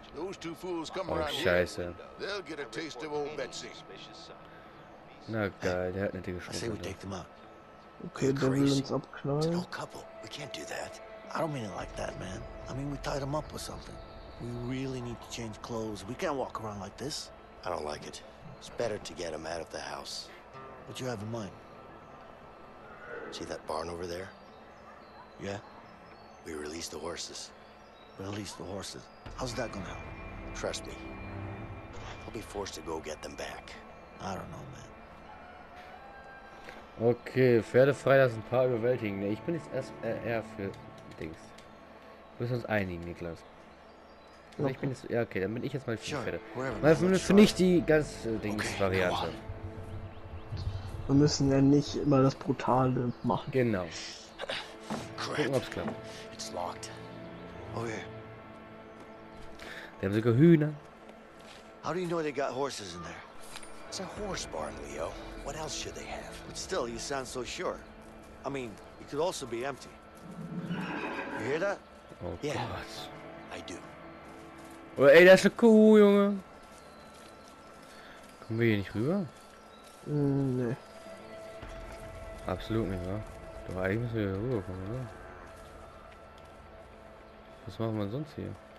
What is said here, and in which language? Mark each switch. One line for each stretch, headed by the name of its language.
English: Those two fools come around.
German: Oh, Scheiße.
English: They'll get a taste of old Betsy.
German: Na geil, der hat eine dicke Schuhe. Okay, dann will uns abknallen.
English: It's an old couple. We can't do that. I don't mean it like that, man. I mean, we tied them up with something. We really need to change clothes. We can't walk around like this. I don't like it. It's better to get him out of the house. What do you have in mind? See that barn over there? Yeah. We release the horses. Release the horses. How's that gonna help? Trust me. I'll be forced to go get them back. I don't know, man.
German: Okay, Pferde frei lassen, paar überwältigen. Ich bin jetzt erst eher für Dings. Wir müssen uns einigen, Niklas. Okay. Ich bin jetzt, ja, okay, dann bin ich jetzt mal für die Pferde. Weil für mich die ganz Dings-Variante. Wir müssen ja nicht immer das Brutale machen. Genau. Gucken, ob's klappt. Okay. Die haben sogar Hühner.
English: How do you know they got horses in there? It's a horse barn, Leo. What else should they have? But still, you sound so sure. I mean, it could also be empty. You hear that? Oh yeah, Gott. I do.
German: Oh, ey, das ist eine Kuh, Junge. Kommen wir hier nicht rüber? Nee. Absolut nicht, wa? Doch, eigentlich müssen wir hier rüberkommen, oder? Was machen wir sonst hier?